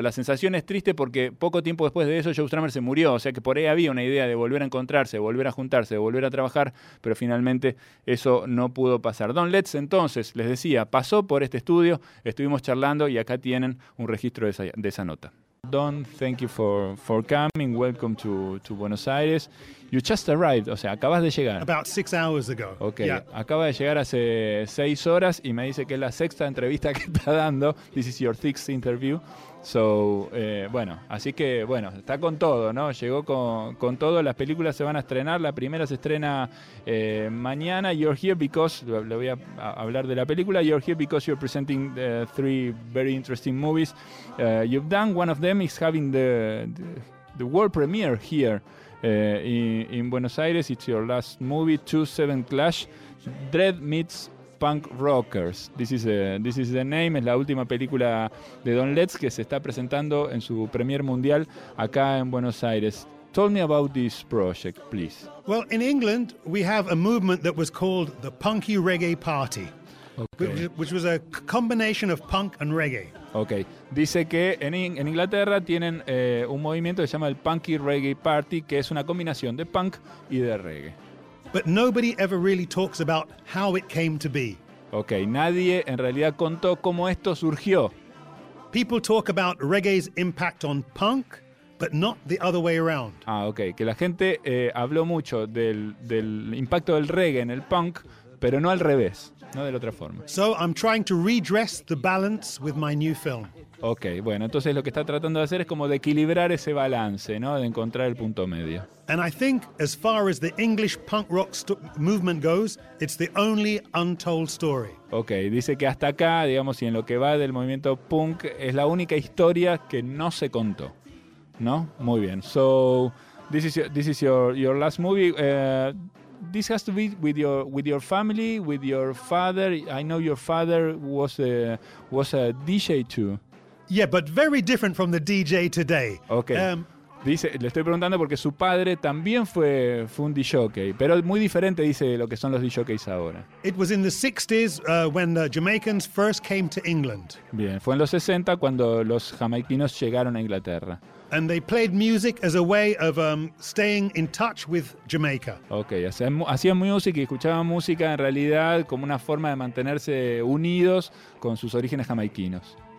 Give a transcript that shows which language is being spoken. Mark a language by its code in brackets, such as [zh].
[es] La sensación es triste porque poco tiempo después de eso Joe Strummer se murió, o sea que por ahí había una idea de volver a encontrarse, de volver a juntarse, de volver a trabajar, pero finalmente eso no pudo pasar. Don Letts, entonces, les decía, pasó por este estudio, estuvimos charlando y acá tienen un registro de esa nota. [en] Don, thank you for coming. Welcome to Buenos Aires. You just arrived, [es] o sea, acabas de llegar. [en] About 6 hours ago. Okay. Yeah. [es] Acaba de llegar hace 6 horas y me dice que es la sexta entrevista que está dando. [en] This is your sixth interview. [es] So, está con todo, ¿no? Llegó con todo, las películas se van a estrenar, la primera se estrena mañana. [en] You're here because, [es] le voy a hablar de la película, [en] you're here because you're presenting three very interesting movies. You've done, one of them is having the world premiere here in Buenos Aires. It's your last movie, 2-7 Clash, Dread meets Punk Rockers. This is the name. [es] Es la última película de Don Letts que se está presentando en su premier mundial acá en Buenos Aires. [en] Tell me about this project, please. Well, in England, we have a movement that was called the Punky Reggae Party. Okay. Which was a combination of punk and reggae. Okay. [es] Dice que en Inglaterra tienen un movimiento que se llama el Punky Reggae Party, que es una combinación de punk y de reggae. [en] But nobody ever really talks about how it came to be. [es] Okay, nadie en realidad contó cómo esto surgió. [en] People talk about reggae's impact on punk, but not the other way around. [es] Ah, okay, que la gente habló mucho del impacto del reggae en el punk, pero no al revés, no de la otra forma. [en] So I'm trying to redress the balance with my new film. [es] Okay, bueno, entonces lo que está tratando de hacer es como de equilibrar ese balance, ¿no? De encontrar el punto medio. [en] And I think as far as the English punk rock movement goes, it's the only untold story. [es] Okay, dice que hasta acá, digamos, y en lo que va del movimiento punk, es la única historia que no se contó. ¿No? Muy bien. [en] So, this is your last movie. This has to be with your family, with your father. I know your father was a DJ too. Yeah, but very different from the DJ today. Okay. [es] Dice, le estoy preguntando porque su padre también fue un DJ, pero muy diferente, dice, de lo que son los DJs ahora. [en] It was in the 60s when the Jamaicans first came to England. [es] Bien, fue en los 60 cuando los jamaiquinos llegaron a Inglaterra. [en] And they played music as a way of staying in touch with Jamaica. [es] Okay, hacían música y escuchaban música en realidad como una forma de mantenerse unidos con sus orígenes jamaiquinos.